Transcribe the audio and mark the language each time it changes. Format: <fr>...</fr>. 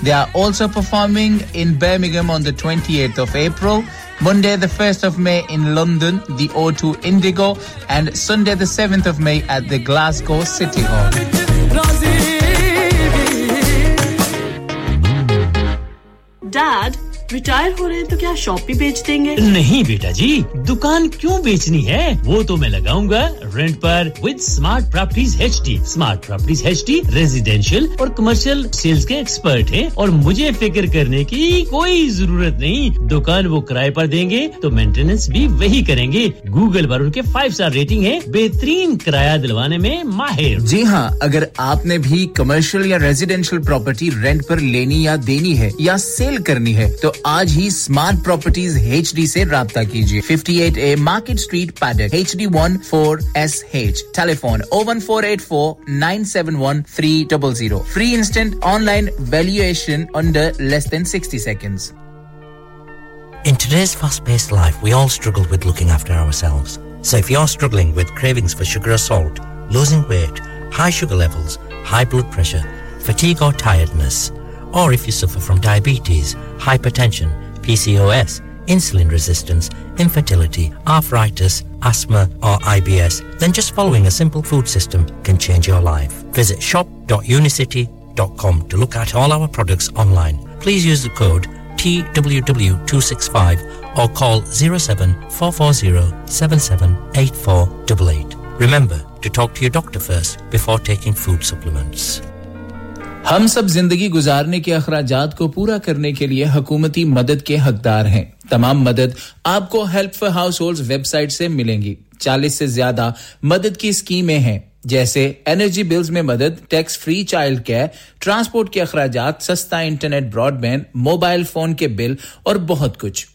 <en>They are also performing in Birmingham on the 28th of April, Monday the 1st of May in London, the O2 Indigo, and Sunday the 7th of May at the Glasgow City Hall. Dad,</en> <hi>retire हो रहे हैं तो क्या shop भी बेच देंगे? नहीं बेटा जी, दुकान क्यों बेचनी है? वो तो मैं लगाऊंगा रेंट पर with smart properties HD. Smart properties HD residential और कमर्शियल सेल्स के एक्सपर्ट हैं और मुझे फिक्र करने की कोई जरूरत नहीं। दुकान वो किराए पर देंगे तो मेंटेनेंस भी वही करेंगे। गूगल पर उनके 5 स्टार रेटिंग है, बेहतरीन किराया दिलवाने में माहिर। जी हां, अगर आपने भी कमर्शियल या रेजिडेंशियल प्रॉपर्टी रेंट पर लेनी या देनी है या सेल करनी है तो आज ही स्मार्ट प्रॉपर्टीज एचडी से राबता कीजिए। 58A market street paddock HD14SH। Telephone 01484971300।</hi> <en>Free instant online valuation under less than 60 seconds. In today's fast paced life we all struggle with looking after ourselves. So if you are struggling with cravings for sugar और salt, losing weight, high sugar levels, high blood pressure, fatigue or tiredness, or if you suffer from diabetes, hypertension, PCOS, insulin resistance, infertility, arthritis, asthma or IBS, then just following a simple food system can change your life. Visit shop.unicity.com to look at all our products online. Please use the code TWW265 or call 07440778488. Remember to talk to your doctor first before taking food supplements.</en> <hi>हम सब जिंदगी गुजारने के अखराजात को पूरा करने के लिए हकूमती मदद के हकदार हैं। तमाम मदद आपको हेल्प फॉर हाउसहोल्ड्स वेबसाइट से मिलेंगी। 40 से ज्यादा मदद की स्कीमें हैं, जैसे एनर्जी बिल्स में मदद, tax free child care, transport के अखराजात, सस्ता इंटरनेट ब्रॉडबैंड, मोबाइल फोन के बिल और बहुत कुछ।</hi>